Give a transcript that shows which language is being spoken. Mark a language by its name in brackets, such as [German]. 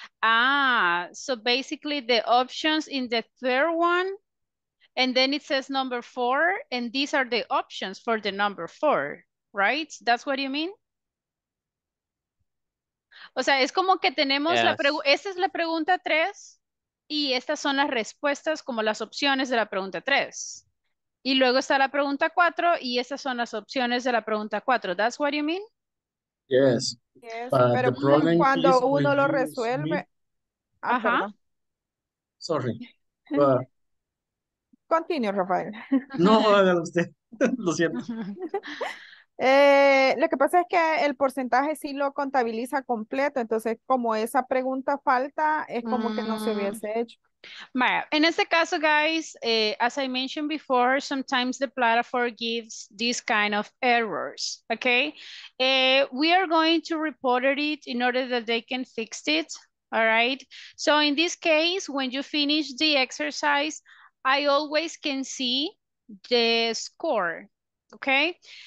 [English] So basically the options in the third one, and then it says number 4, and these are the options for the number 4, right? That's what you mean? [Spanish] O sea, es como que tenemos yes. Esta es la pregunta 3 y estas son las respuestas como las opciones de la pregunta 3. Y luego está la pregunta 4 y estas son las opciones de la pregunta 4. [English] That's what you mean? Yes. [Spanish] Yes, pero cuando uno lo resuelve. Ajá. [English] Sorry. But... [Spanish] Continúe, Rafael. No, hágalo usted. Lo siento. Lo que pasa es que el porcentaje sí lo contabiliza completo, entonces como esa pregunta falta, es como que no se hubiese hecho. [English] Maya, [Spanish] en este caso, [English] guys, as I mentioned before, sometimes the platform gives this kind of errors, okay? We are going to report it in order that they can fix it, all right? So in this case, when you finish the exercise, I always can see the score, okay?